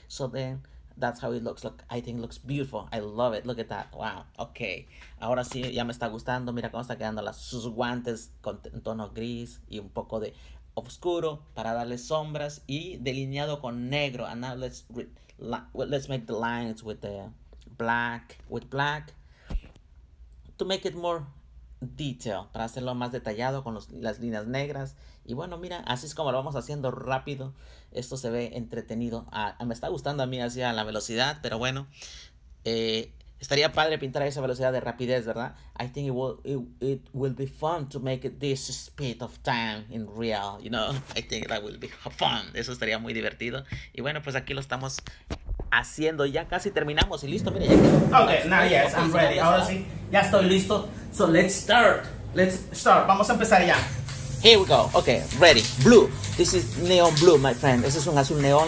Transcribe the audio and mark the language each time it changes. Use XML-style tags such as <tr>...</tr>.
<en>So then that's how it looks. Look, I think it looks beautiful. I love it. Look at that. Wow. Okay.</en> <es>Ahora sí, ya me está gustando. Mira cómo está quedando sus guantes con tono gris y un poco de oscuro para darle sombras y delineado con negro.</es> <en>And now let's make the lines with black to make it more detail,</en> <es>para hacerlo más detallado con las líneas negras. Y bueno, mira, así es como lo vamos haciendo rápido. Esto se ve entretenido. Me está gustando a mí así a la velocidad, pero bueno, estaría padre pintar a esa velocidad de rapidez, ¿verdad?</es> <en>I think it will be fun to make this speed of time in real, you know. I think that will be fun.</en> <es>Eso estaría muy divertido. Y bueno, pues aquí lo estamos haciendo, ya casi terminamos y listo, mira, ya quedó.</es> <en>Okay, now yes, I'm ready.</en> <es>Ahora sí, ya estoy listo.</es> <en>So let's start.</en> <es>Vamos a empezar ya.</es> <en>Here we go. Okay, ready. Blue. This is neon blue, my friend.</en> <es>Ese es un azul neón.</es>